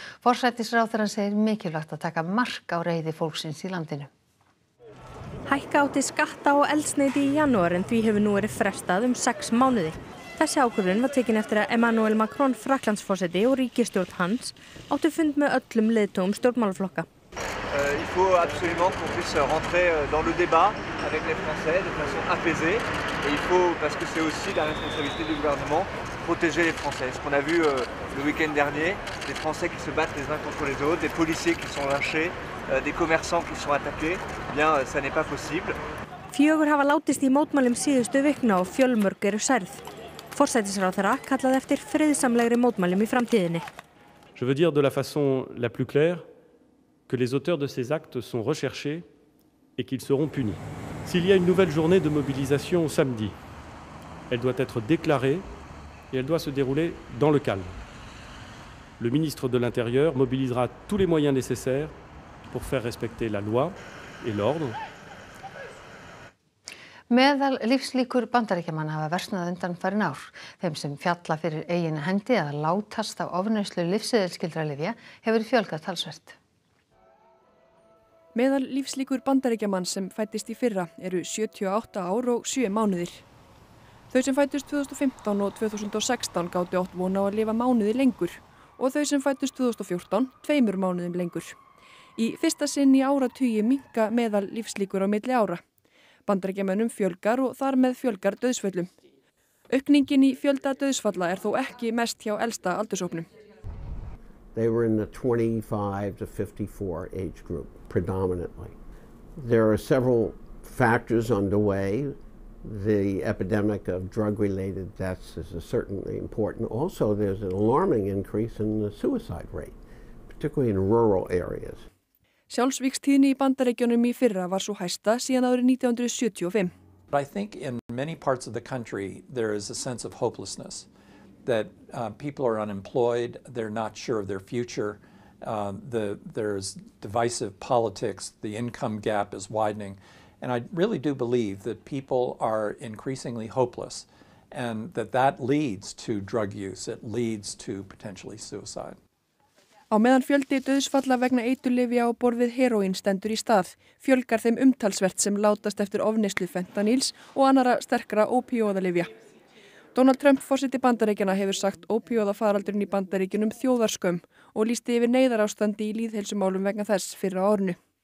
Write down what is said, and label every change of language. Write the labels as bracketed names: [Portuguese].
[Icelandic] Forsætisráðherrann segir mikilvægt að taka mark á reiði fólksins í landinu. Hækka átti skatta á eldsneyti í janúar en því hefur nú verið frestað 6 mánuði. Þessi ákvörðun var tekin eftir að Emmanuel Macron, Frakklandsforseti og ríkisstjórn hans áttu fund með öllum leiðtogum stjórnmálaflokka. [French] Il faut absolument qu'on puisse rentrer dans le débat avec les Français de façon apaisée et il faut parce que c'est aussi la responsabilité du gouvernement protéger les Français. Ce qu'on a vu le week-end dernier, des Français qui se battent les uns contre les autres, des policiers qui sont lynchés, des commerçants qui sont attaqués, bien ça n'est pas possible. [Icelandic] Fjögur hafa látist í mótmælum síðustu vikna og fjölmörg eru særð. Forsætisráðherra kallaði eftir friðsamlegri mótmælum í framtíðinni. [French] Je veux dire de la façon la plus claire que les auteurs de ces actes sont recherchés et qu'ils seront punis. S'il y a une nouvelle journée de mobilisation au samedi, elle doit être déclarée et elle doit se dérouler dans le calme. Le ministre de l'Intérieur mobilisera tous les moyens nécessaires pour faire respecter la loi et l'ordre. [Icelandic] Meðal lífslíkur Bandaríkjamanna hafa versnað undanfarin ár. Þeim sem fjalla fyrir eigin hendi að látast af ofneyslu lyfseðilskyldra lyfja hefur fjölgað talsvert. Meðal lífslíkur Bandaríkjamanns sem fættist í fyrra eru 78 ár og 7 mánuðir. Þau sem fættust 2015 og 2016 gátu átt vona á að lifa mánuði lengur og þau sem fættust 2014 tveimur mánuðum lengur. Í fyrsta sinn í áratugi minnka meðal lífslíkur á milli ára. Bandaríkjamönnum fjölgar og þar með fjölgar dauðsföllum. Aukningin í fjölda dauðsfalla þó ekki mest hjá elsta aldurshópnum. [English] They were in the 25 to 54 age group, predominantly. There are several factors underway. The epidemic of drug-related deaths is certainly important. Also, there's an alarming increase in the suicide rate, particularly in rural areas. [Icelandic] Sjálfsvíkstíðni í Bandaríkjunum í fyrra var svo hæsta síðan árið 1975. [English] But I think in many parts of the country there is a sense of hopelessness that people are unemployed, they're not sure of their future. There's divisive politics, the income gap is widening, and I really do believe that people are increasingly hopeless and that that leads to drug use, it leads to potentially suicide. [Icelandic] Á meðan fjöldi dauðsfalla vegna eiturlyfja á borð við heróín stendur í stað, fjölgar þeim umtalsvert sem látast eftir ofneyslu fentanýls og annara sterkra ópíóðalyfja. Donald Trump, forseti Bandaríkjanna, hefur sagt ópíóðafaraldurinn í Bandaríkjunum þjóðarskömm og lýsti yfir neyðarástandi í lýðheilsumálum vegna þess fyrir á árinu.